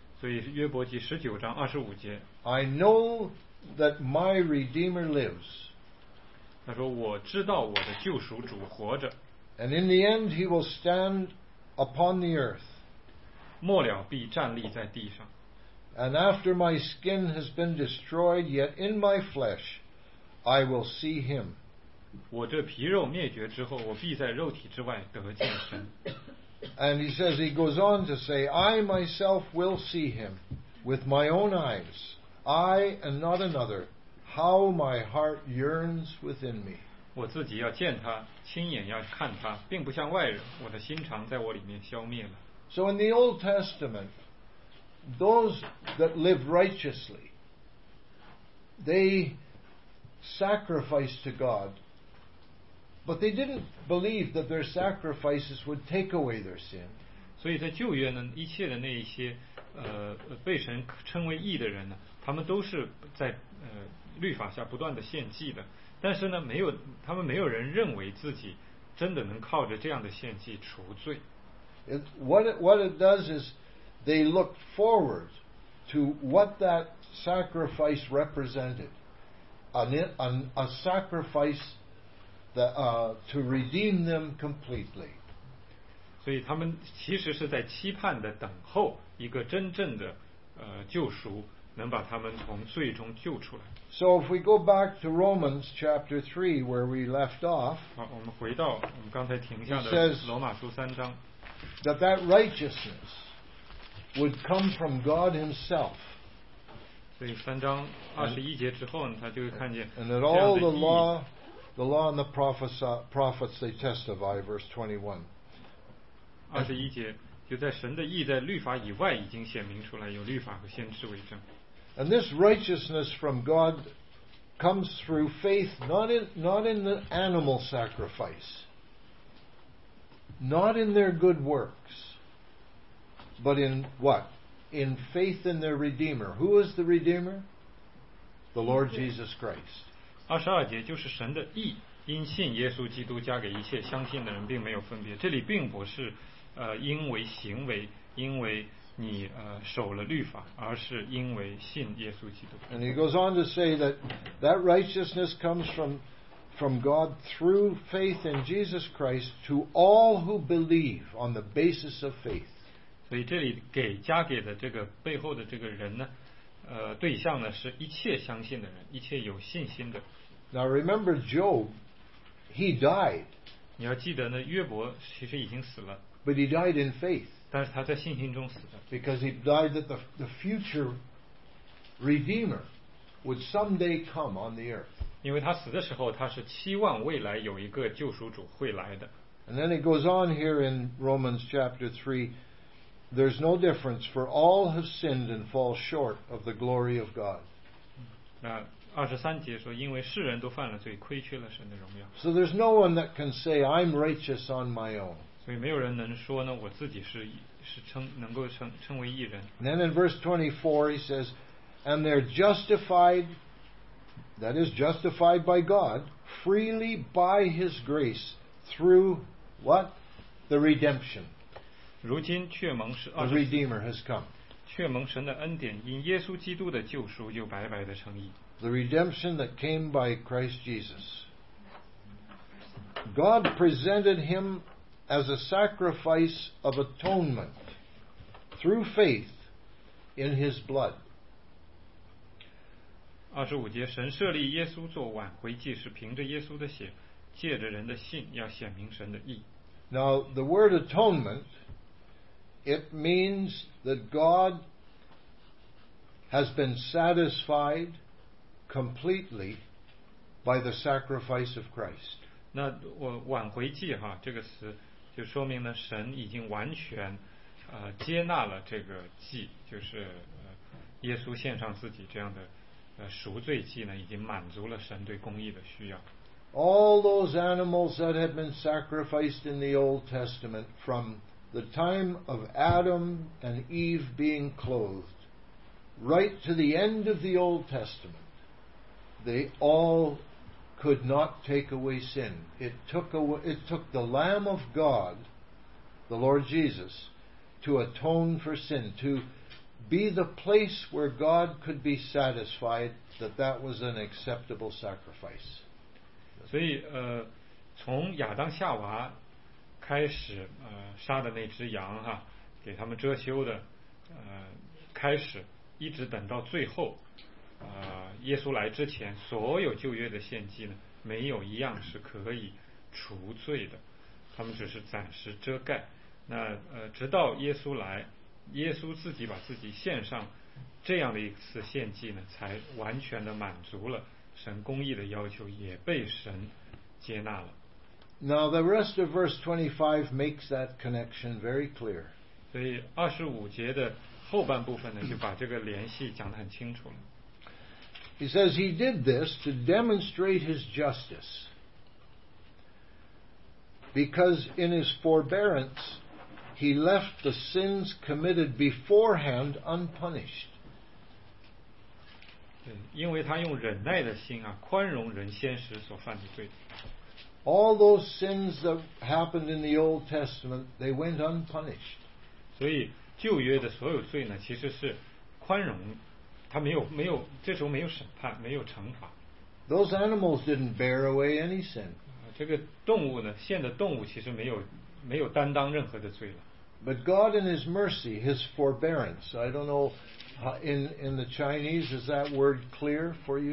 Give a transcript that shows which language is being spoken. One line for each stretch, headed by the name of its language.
Chinese: 所以约伯记十九章二十五节。
English: I know that my Redeemer lives.
Chinese: 他说我知道我的救赎主活着。
English: And in the end he will stand upon the earth.
Chinese: 末了必站立在地上。
English: And after my skin has been destroyed, yet in my flesh, I will see him.
Chinese: 我这皮肉灭绝之后，我必在肉体之外得见神。
English: And he says, he goes on to say, I myself will see him with my own eyes, I and not another. How my heart yearns within me.
Chinese: 我自己要见他，亲眼要看他，并不像外人。我的心肠在我里面消灭了。
English: So in the Old Testament. Those that live righteously, they sacrifice to God, but they didn't believe that their sacrifices would take away their sin.
Chinese: 所以在旧约呢，一切的那一些被神称为义的人呢，他们都是在律法下不断的献祭的，但是呢，没有人认为自己真的能靠着这样的献祭除罪。
English: What it does is. They looked forward to what that sacrifice represented, a sacrifice to redeem them completely.
Chinese: 所以他们其实是在期盼的等候一个真正的救赎，能把他们从罪中救出来。
English: So if we go back to Romans chapter 3 where we left off,
Chinese: 我们回到我们刚才停下的罗马书三章。
English: That that righteousness would come from God himself.
Chinese: 所以三章二十一节之后呢，他就会看见。
English: And that all the law and the prophets they testify, verse 21.
Chinese: 二十一节就在神的义在律法以外已经显明出来，有律法和先知为证。
English: And this righteousness from God comes through faith, not in the animal sacrifice, not in their good works, but in what? In faith in their Redeemer. Who is the Redeemer? The Lord Jesus Christ.
Chinese: 二十二节就是神的义，因信耶稣基督加给一切相信的人，并没有分别。这里并不是因为行为，因为你守了律法，而是因为信耶稣基督。
English: And he goes on to say that that righteousness comes from God through faith in Jesus Christ to all who believe on the basis of faith.
Chinese: 所以这里给加给的这个背后的这个人呢，对象呢是一切相信的人，一切有信心的。
English: Now remember Job, he died.
Chinese: 你要记得呢，约伯其实已经死了。
English: But he died in faith.
Chinese: 但是他在信心中死的。
English: Because he died that the future Redeemer would someday come on the earth.
Chinese: 因为他死的时候，他是期望未来有一个救赎主会来的。
English: And then it goes on here in Romans chapter 3. There's no difference, for all have sinned and fall short of the glory of God.
Chinese: 那二十三节说，因为世人都犯了罪，亏缺了神的荣耀。
English: So there's no one that can say I'm righteous on my own.
Chinese: 所以没有人能说呢，我自己是能够称为义人。
English: Then in verse 24 he says, and they're justified, that is justified by God freely by His grace through what? The redemption.
Chinese: 如今却蒙是
English: The Redeemer has come.
Chinese: 却蒙神的恩典，因耶稣基督的救赎就白白的称义。
English: The redemption that came by Christ Jesus. God presented him as a sacrifice of atonement through faith in his blood.
Chinese: 二十五节，神设立耶稣做挽回祭，是凭着耶稣的血，借着人的信，要显明神的义。
English: Now the word atonement, it means that God has been satisfied. Completely by the sacrifice of Christ.
Chinese: 那我挽回祭哈，这个词就说明呢，神已经完全接纳了这个祭，就是耶稣献上自己这样的赎罪祭呢，已经满足了神对公义的需要。
English: All those animals that had been sacrificed in the Old Testament from the time of Adam and Eve being clothed right to the end of the Old Testament. They all could not take away sin. It took the Lamb of God, the Lord Jesus, to atone for sin, to be the place where God could be satisfied that that was an acceptable sacrifice.
Chinese: 所以从亚当夏娃开始杀的那只羊哈，给他们遮羞的开始，一直等到最后。耶稣来之前所有旧约的献祭呢，没有一样是可以除罪的，他们只是暂时遮盖。那直到耶稣来，耶稣自己把自己献上这样的一次献祭呢，才完全的满足了神公义的要求，也被神接纳了。
English: Now the rest of verse 25 makes that connection very clear.
Chinese: 所以二十五节的后半部分呢，就把这个联系讲得很清楚了。
English: He says he did this to demonstrate his justice. Because in his forbearance, he left the sins committed beforehand unpunished.
Chinese: 因为他用忍耐的心啊，宽容人先时所犯的罪。
English: All those sins that happened in the Old Testament, they went unpunished.
Chinese: 所以旧约的所有罪呢，其实是宽容。他没有这时候没有审判，没有惩罚。
English: Those animals didn't bear away any sin.
Chinese: 这个动物呢，献的动物其实没有担当任何的罪了。
English: But God in His mercy, His forbearance, I don't know In the Chinese, is that word clear for you?